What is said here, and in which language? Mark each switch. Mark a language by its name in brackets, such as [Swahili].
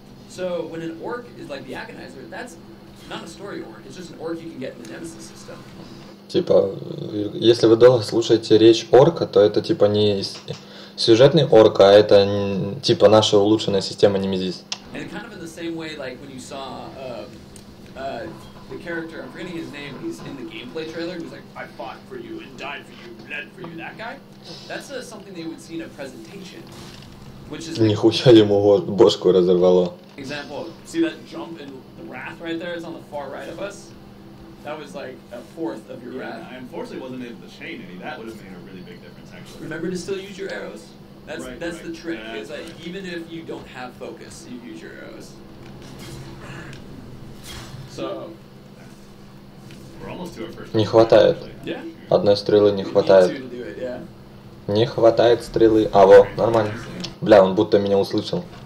[English] So when an orc is like the agonizer, that's not a story orc. It's just an orc you can get in the Nemesis system. [Russian] Типа, если вы долго слушаете речь орка, то это типа не сюжетный орк, а это типа наша улучшенная система Nemesis. [English] And kind of in the same way, like when you saw the character, I'm forgetting his name, he's in the gameplay trailer. He's like, I fought for you and died for you, bled for you. That guy. That's something they would see in a presentation. [Russian] Нихуя ему бошку разорвало. [English] Example, see that jump in the wrath right there? It's on the far right of us. That was like a fourth of your wrath. Yeah, unfortunately, wasn't able to chain any. That would have made a really big difference, actually. Remember to still use your arrows. That's right, that's right. The trick. That's it's like right. Even if you don't have focus, you use your arrows. So we're almost to our first. [Russian] Не хватает. [English] Yeah. [Russian] Одной стрелы не хватает. Не хватает стрелы. А, во, нормально. Бля, он будто меня услышал.